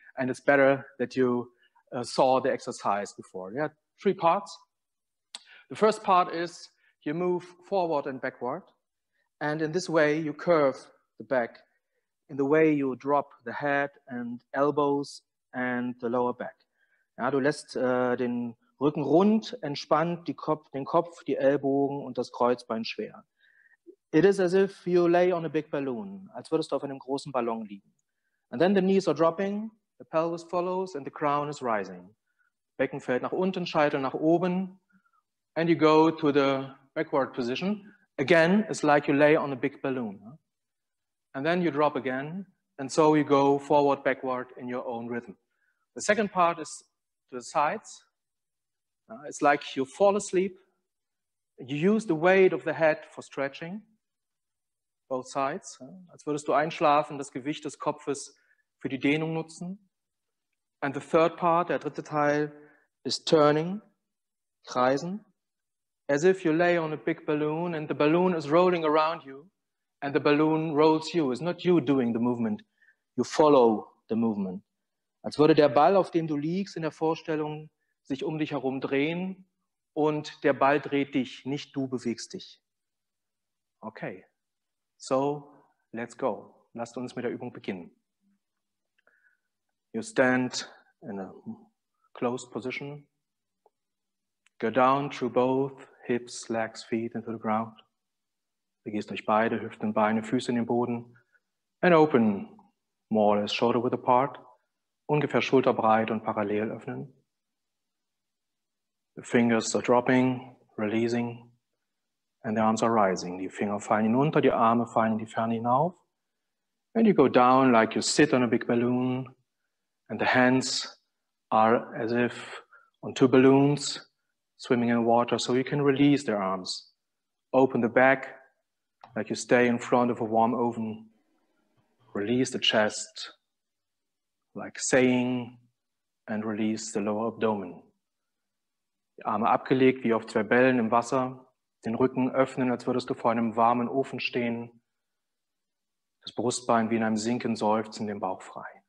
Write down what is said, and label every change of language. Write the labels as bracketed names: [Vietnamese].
[English] And it's better that you saw the exercise before. Yeah, three parts. The first part is you move forward and backward. And in this way, you curve the back in the way you drop the head and elbows and the lower back. [German] Ja, du lässt den Rücken rund, entspannt die Kopf, den Kopf, die Ellbogen und das Kreuzbein schwer. [English] It is as if you lay on a big balloon, [German] als würdest du auf einem großen Ballon liegen. [English] And then the knees are dropping, the pelvis follows and the crown is rising. [German] Becken fällt nach unten, Scheitel nach oben, [English] and you go to the backward position. Again, it's like you lay on a big balloon. And then you drop again, and so you go forward, backward in your own rhythm. The second part is to the sides. It's like you fall asleep. You use the weight of the head for stretching, both sides. [German] Als würdest du einschlafen, das Gewicht des Kopfes für die Dehnung nutzen. [English] And the third part, [German] der dritte Teil, [English] is turning, [German] kreisen. [English] As if you lay on a big balloon and the balloon is rolling around you and the balloon rolls you. It's not you doing the movement, you follow the movement. [German] Als würde der Ball, auf dem du liegst, in der Vorstellung sich um dich herum drehen und der Ball dreht dich, nicht du bewegst dich. [English] Okay, so let's go. [German] Lasst uns mit der Übung beginnen. [English] You stand in a closed position. Go down through both hips, legs, feet into the ground. [German] Begehst durch beide Hüften, Beine, Füße in den Boden. [English] And open more or less shoulder width apart. [German] Ungefähr schulterbreit und parallel öffnen. [English] The fingers are dropping, releasing. And the arms are rising. [German] Die Finger fallen hinunter, die Arme fallen in die Ferne hinauf. [English] And you go down like you sit on a big balloon. And the hands are as if on two balloons, swimming in water, so you can release their arms. Open the back, like you stay in front of a warm oven. Release the chest, like saying, and release the lower abdomen. [German] Die Arme abgelegt, wie auf zwei Bällen im Wasser. Den Rücken öffnen, als würdest du vor einem warmen Ofen stehen. Das Brustbein wie in einem Sinken seufzen, den Bauch frei.